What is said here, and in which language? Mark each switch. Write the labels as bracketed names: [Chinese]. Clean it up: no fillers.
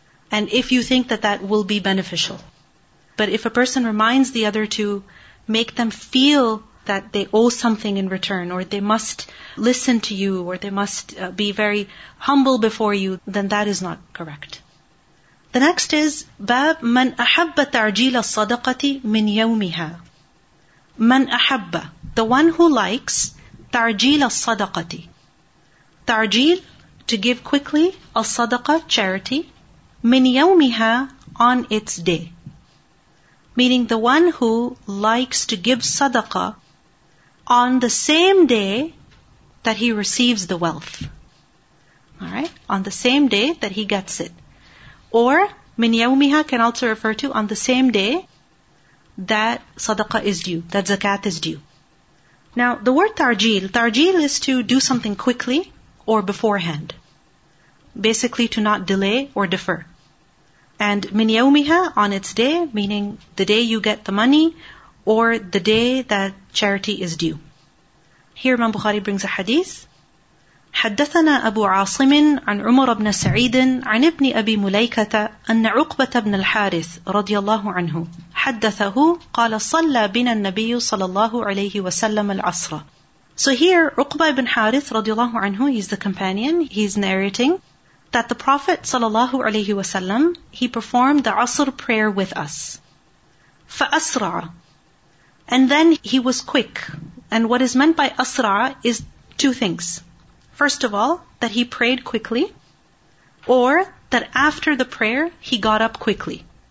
[English] And if you think that that will be beneficial. But if a person reminds the other to make them feel that they owe something in return, or they must listen to you, or they must be very humble before you, then that is not correct. The next is, [Arabic] باب من أحب تعجيل الصدقة من يومها. من أحب, [English] the one who likes, [Arabic] تعجيل الصدقة. تعجيل, [English] to give quickly, [Arabic] الصدقة, [English] charity, [Arabic] من يومها, [English] on its day. Meaning the one who likes to give sadaqah on the same day that he receives the wealth. Alright? On the same day that he gets it. Or, min yawmiha can also refer to on the same day that sadaqah is due, that zakat is due. Now, the word tarjeel is to do something quickly or beforehand. Basically, to not delay or defer. And min yawmiha, on its day, meaning the day you get the money or the day that charity is due. Here Imam Bukhari brings a hadith. [Arabic] حدثنا أبو عاصم عن عمر بن سعيد عن ابن أبي مليكة أن عقبة بن الحارث رضي الله عنه حدثه قال صلى بنا النبي صلى الله عليه وسلم العصر. [English] So here عقبه بن حارث [Arabic] رضي الله عنه, [English] he's the companion, he's narrating that the Prophet sallallahu alayhi wasallam, he performed the Asr prayer with us. [Arabic] فَأَسْرَعَ, [English] and then he was quick. And what is meant by أَسْرَعَ is two things. First of all, that he prayed quickly, or that after the prayer, he got up quickly.